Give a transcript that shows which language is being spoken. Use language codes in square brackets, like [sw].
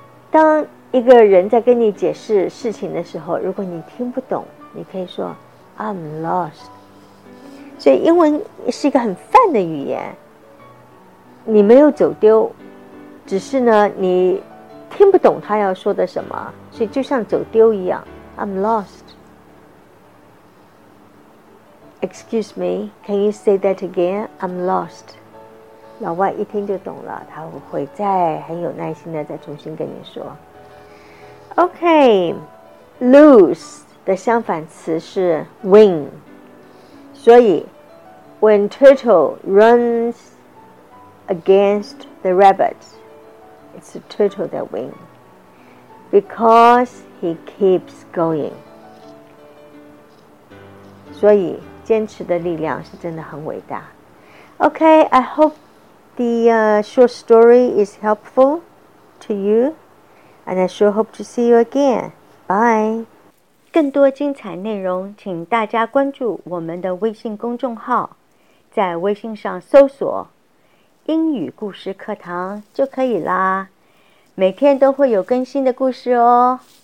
[zh] 当一个人在跟你解释事情的时候，如果你听不懂，你可以说 [en] I'm lost. [zh] 所以英文是一个很泛的语言。你没有走丢，只是呢，你听不懂他要说的什么，所以就像走丢一样 [en] I'm lost. Excuse me, can you say that again? I'm lost. [zh] 老外一听就懂了，他会再很有耐心的再重新跟你说。 Okay, lose 的相反词是 win. [en] 所以 when turtle runs against the rabbit, it's a turtle that wins. Because he keeps going. [zh] 所以坚持的力量是真的很伟大。 [en] Okay, I hope the short story is helpful to you, and I sure hope to see you again. Bye! [zh] 更多精彩内容请大家关注我们的微信公众号在微信上搜索英语故事课堂就可以啦每天都会有更新的故事哦。